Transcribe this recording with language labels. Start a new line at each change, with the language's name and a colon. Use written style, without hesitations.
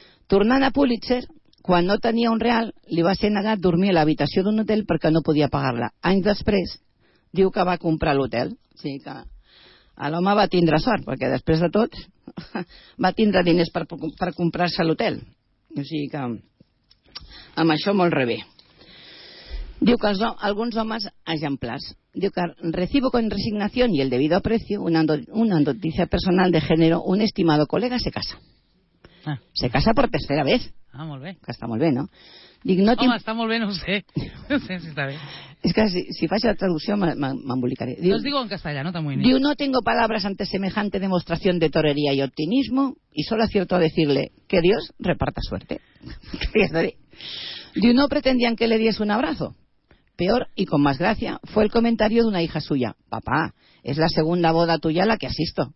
Catalan: Tornant a Pulitzer, quan no tenia un real, li va ser negat dormir a l'habitació d'un hotel perquè no podia pagar-la. Anys després, diu que va comprar l'hotel. O sigui que l'home va tindre sort, perquè després de tot va tindre diners per comprar-se l'hotel. O sigui que amb això molt rebé. Diu que alguns homes exemplars. Diu que
Spanish: recibo con resignación y el debido aprecio una noticia personal de género, un estimado colega se casa. Ah. Se casa por tercera vez.
Catalan: Ah, molt bé. Que està molt bé, no? Dic, no home, està molt bé, no sé si està bé. És que si faig la traducció m'embolicaré. Diu, no es digo en castellà, no t'amoïnis.
Spanish: Diu, no tengo palabras ante semejante demostración de torería y optimismo y solo acierto a decirle que Dios reparta suerte. Diu, no pretendían que le diese un abrazo. Peor y con más gracia fue el comentario de una hija suya. Papá, es la segunda boda tuya a la que asisto.